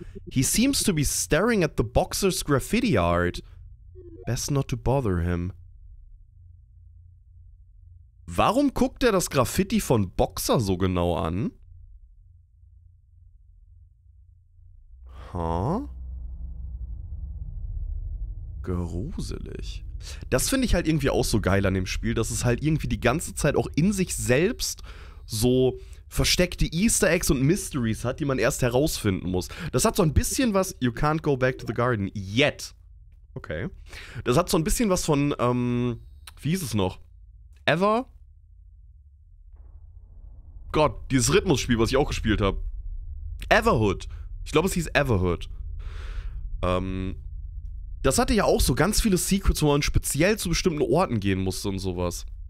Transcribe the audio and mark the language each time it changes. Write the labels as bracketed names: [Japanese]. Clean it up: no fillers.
[English] He seems to be staring at the boxer's graffiti art. Best not to bother him. [German] Warum guckt er das Graffiti von Boxer so genau an? Huh? Gruselig. Das finde ich halt irgendwie auch so geil an dem Spiel, dass es halt irgendwie die ganze Zeit auch in sich selbst so versteckte Easter Eggs und Mysteries hat, die man erst herausfinden muss. Das hat so ein bisschen was... [English] You can't go back to the garden yet. Okay. [German] Das hat so ein bisschen was von, wie hieß es noch? Ever? Gott, dieses Rhythmusspiel, was ich auch gespielt habe. Everhood. Ich glaube, es hieß Everhood. Das hatte ja auch so ganz viele Secrets, wo man speziell zu bestimmten Orten gehen musste und sowas.